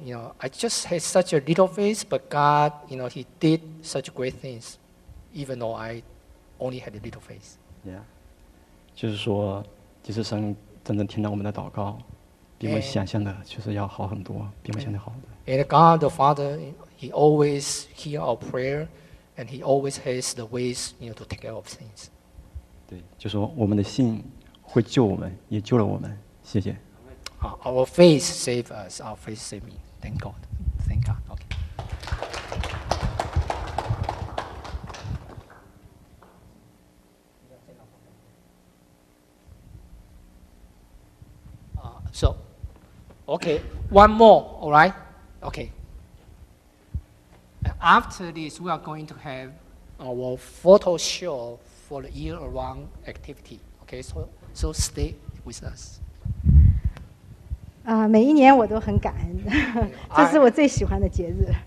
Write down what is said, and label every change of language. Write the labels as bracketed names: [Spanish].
[English] You know, I just had such a little faith, but God, you know, He did such great things, even though I only had a little faith. [Chinese] Yeah, 就是说，就是神。真正听到我们的祷告，比我想象的确实要好很多，比我想的好的。 [English] And God the Father, He always hears our prayer, and He always has the ways, you know, to take care of things. [Chinese] 对，就说我们的信会救我们，也救了我们。谢谢。 [English] Our faith saves us. Our faith saves me. Thank God. Thank God. Okay. So, okay, one more, all right? Okay. After this, we are going to have our photo show for the year-round activity. Okay, so stay with us. [Chinese] 每一年我都很感恩，这是我最喜欢的节日。